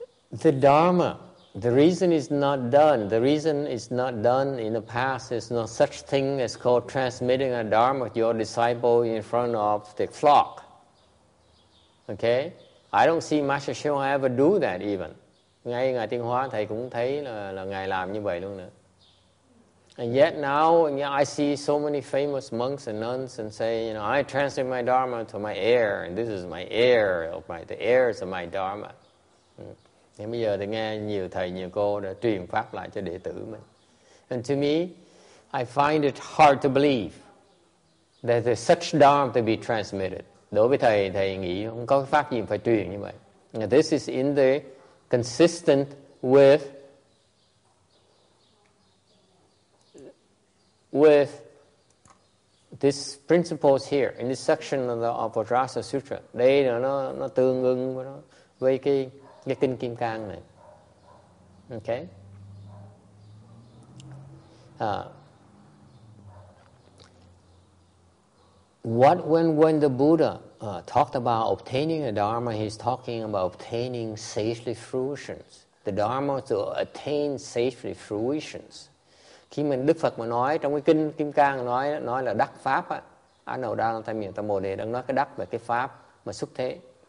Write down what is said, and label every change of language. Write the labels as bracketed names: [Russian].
[English] The Dharma, the reason it's not done, the reason it's not done in the past is not such thing as called transmitting a Dharma to your disciple in front of the flock. Okay? I don't see Master Shiva ever do that even. [Vietnamese] Ngay Ngài Tiên Hóa, Thầy cũng thấy là Ngài làm như vậy luôn nữa. [English] And yet now, I see so many famous monks and nuns and say, you know, I transmit my Dharma to my heir, and this is my heir, of my, the heirs of my Dharma. [Vietnamese] Nhưng bây giờ thì nghe nhiều thầy, nhiều cô đã truyền pháp lại cho đệ tử mình. [English] And to me, I find it hard to believe that there's such Dharma to be transmitted. [Vietnamese] Đối với thầy, thầy nghĩ không có pháp gì phải truyền như vậy. [English] Now this is in the consistent with this principles here, in this section of the of Vajrasa Sutra. [Vietnamese] Đây là nó tương ứng với cái kinh Kim Cang này. [English] Okay. When the Buddha talked about obtaining a Dharma, he's talking about obtaining sagely fruitions. The Dharma to attain sagely fruitions. [Vietnamese] Khi mình Đức Phật mà nói trong cái kinh Kim Cang nói là đắc pháp á, anh nào đang tham niệm tam bồ đề đang nói cái đắc và cái pháp mà xuất thế.